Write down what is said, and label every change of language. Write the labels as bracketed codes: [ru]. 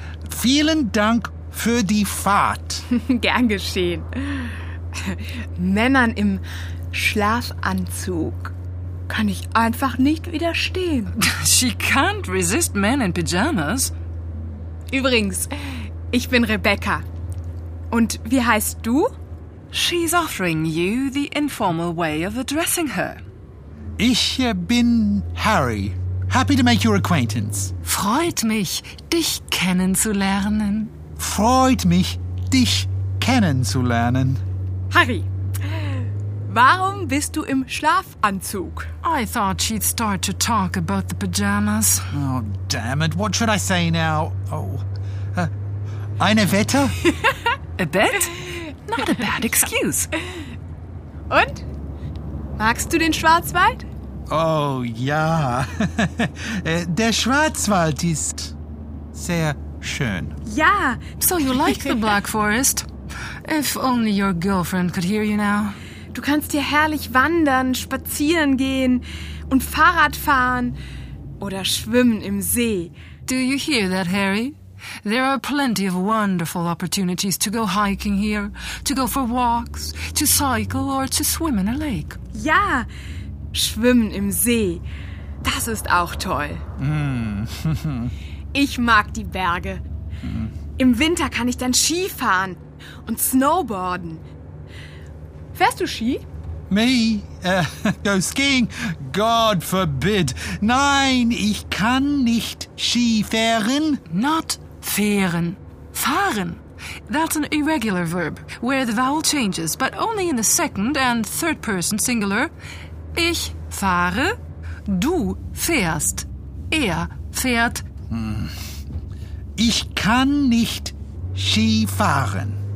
[de] Vielen Dank für die Fahrt. Gern geschehen. Männern im Schlafanzug kann ich einfach nicht widerstehen. [en] She can't resist men in pajamas. [de] Übrigens, ich bin Rebecca. Und wie heißt du? [en] She's offering you the informal way of addressing her. [de] Ich bin Harry. [en] Happy to make your acquaintance. [de] Freut mich, dich kennenzulernen. Freut mich, dich kennenzulernen. Harry, warum bist du im Schlafanzug? [en] I thought she'd start to talk about the pajamas. Oh, damn it. What should I say now? Oh, [de] eine Wette? [en] A bet? Not a bad excuse. [de] Und? Magst du den Schwarzwald? Oh, ja. Der Schwarzwald ist sehr schön. Ja. [en] So you like the Black Forest? If only your girlfriend could hear you now. [de] Du kannst hier herrlich wandern, spazieren gehen und Fahrrad fahren oder schwimmen im See. [en] Do you hear that, Harry? There are plenty of wonderful opportunities to go hiking here, to go for walks, to cycle or to swim in a lake. [de] Ja. Schwimmen im See. Das ist auch toll. Ich mag die Berge. Im Winter kann ich dann Ski fahren und snowboarden. Fährst du Ski? [en] Me? Go skiing? God forbid. [de] Nein, ich kann nicht Ski fahren. [en] Not [de] fahren. Fahren. [en] That's an irregular verb, where the vowel changes, but only in the second and third person singular. [de] Ich fahre, du fährst, er fährt. Ich kann nicht Ski fahren.